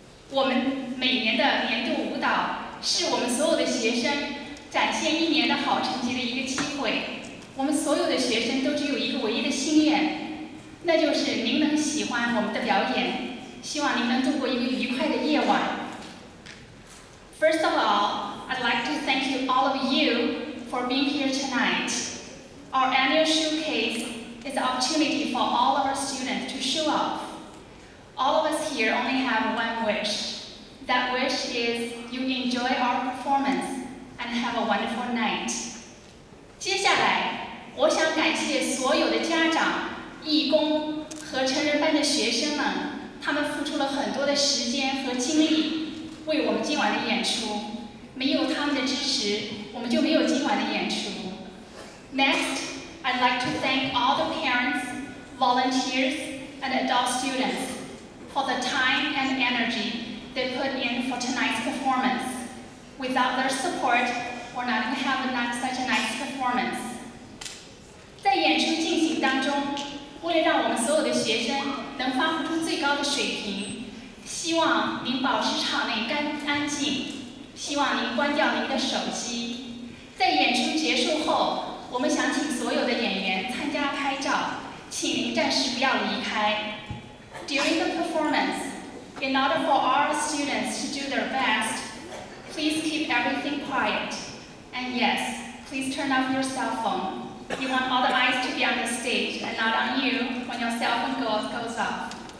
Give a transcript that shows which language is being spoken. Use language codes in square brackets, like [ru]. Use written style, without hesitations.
[zh] 我们每年的年度舞蹈是我们所有的学生展现一年的好成绩的一个机会。我们所有的学生都只有一个唯一的心愿，那就是您能喜欢我们的表演，希望您能度过一个愉快的夜晚。 [en] First of all, I'd like to thank you all of you for being here tonight. Our annual showcase is an opportunity for all of our students to show off. All of us here only have one wish. That wish is you enjoy our performance and have a wonderful night. [zh] 接下来，我想感谢所有的家长、义工和成人班的学生们，他们付出了很多的时间和精力为我们今晚的演出。没有他们的支持，我们就没有今晚的演出。 [en] Next, I'd like to thank all the parents, volunteers, and adult students. For the time and energy they put in for tonight's performance. Without their support, we're not going to have such a nice performance. [zh] 在演出进行当中，为了让我们所有的学生能发挥出最高的水平，希望您保持场内干安静，希望您关掉您的手机。在演出结束后，我们想请所有的演员参加拍照，请您暂时不要离开。 [en] During the performance, in order for our students to do their best, please keep everything quiet. And yes, please turn off your cell phone. You want all the eyes to be on the stage and not on you when your cell phone goes off.